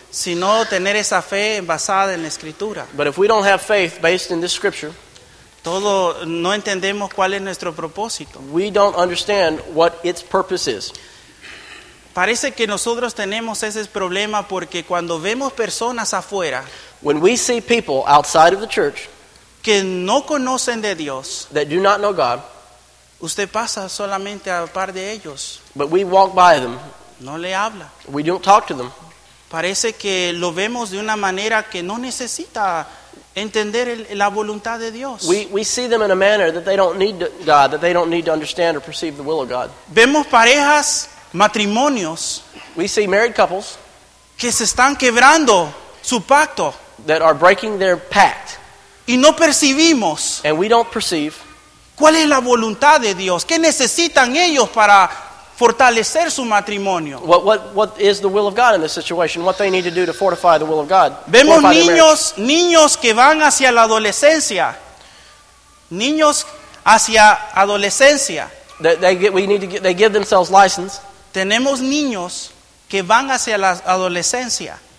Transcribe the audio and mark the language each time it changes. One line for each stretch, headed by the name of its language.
Spanish: Sino tener esa fe basada en la escritura.
English: But if we don't have faith based in this scripture,
Spanish: todo, no entendemos cuál es nuestro propósito.
English: We don't understand what its purpose is.
Spanish: Parece que nosotros tenemos ese problema porque cuando vemos personas afuera,
English: when we see people outside of the church,
Spanish: que no conocen de Dios,
English: that do not know God,
Spanish: usted pasa solamente a par de ellos.
English: But we walk by them.
Spanish: No le habla.
English: We don't talk to them.
Spanish: Parece que lo vemos de una manera que no necesita entender la voluntad de Dios.
English: We see them in a manner that they don't need God, that they don't need to understand or perceive the will of God.
Spanish: Vemos parejas, matrimonios,
English: we see married couples
Spanish: que se están quebrando su pacto,
English: that are breaking their pact,
Spanish: y no percibimos,
English: and we don't perceive,
Spanish: cuál es la voluntad de Dios, qué necesitan ellos para fortalecer su matrimonio.
English: What is the will of God in this situation? What they need to do to fortify the will of God?
Spanish: Vemos niños que van hacia la adolescencia. Niños hacia adolescencia.
English: They give themselves license.
Spanish: Tenemos niños que van hacia la adolescencia.